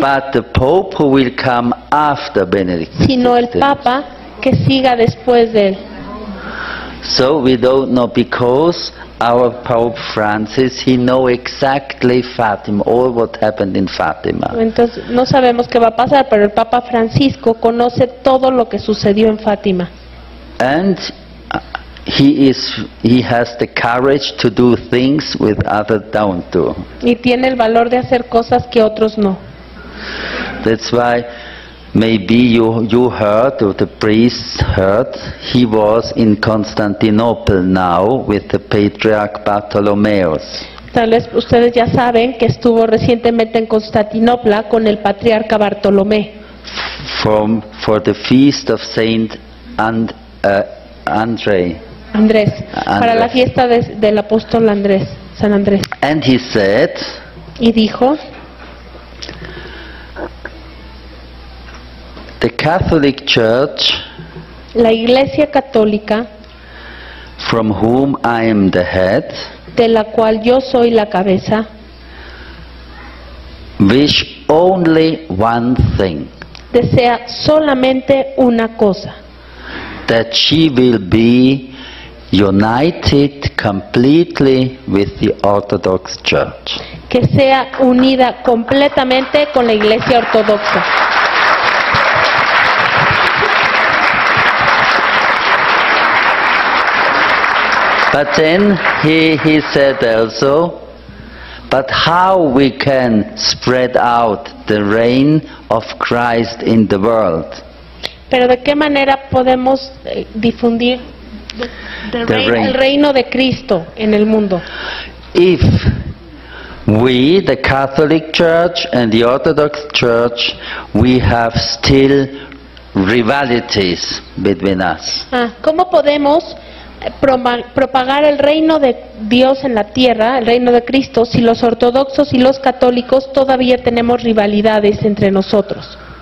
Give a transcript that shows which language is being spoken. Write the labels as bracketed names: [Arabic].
[English] But the Pope who will come after Benedict. [Spanish] Sino el Papa que siga después de él. [English] So we don't know because our Pope Francis, he know exactly Fatima, all what happened in Fatima. [Spanish] Entonces no sabemos qué va a pasar, pero el Papa Francisco conoce todo lo que sucedió en Fátima. [English] And he has the courage to do things with others don't do. [Spanish] Y tiene el valor de hacer cosas que otros no. [English] That's why maybe you heard, or the priests heard, he was in Constantinople now with the Patriarch Bartholomeus. [Spanish] Tal vez ustedes ya saben que estuvo recientemente en Constantinopla con el Patriarca Bartolomé. [English] For the feast of Saint [Spanish] Andrés. Para la fiesta del apóstol Andrés, San Andrés. [English] And he said, [Spanish] y dijo, [English] the Catholic Church, [Spanish] la Iglesia Católica, [English] from whom I am the head, [Spanish] de la cual yo soy la cabeza, [English] wish only one thing, [Spanish] desea solamente una cosa, [English] that she will be united completely with the Orthodox Church, [Spanish] que sea unida completamente con la Iglesia Ortodoxa. [English] But then he said also, but how we can spread out the reign of Christ in the world? [Spanish] Pero de qué manera podemos difundir el reino de Cristo en el mundo? [English] If we, the Catholic Church and the Orthodox Church, we have still rivalities between us. [Spanish] ¿Cómo podemos propagar el reino de Dios en la tierra, el reino de Cristo, si los ortodoxos y los católicos todavía tenemos rivalidades entre nosotros?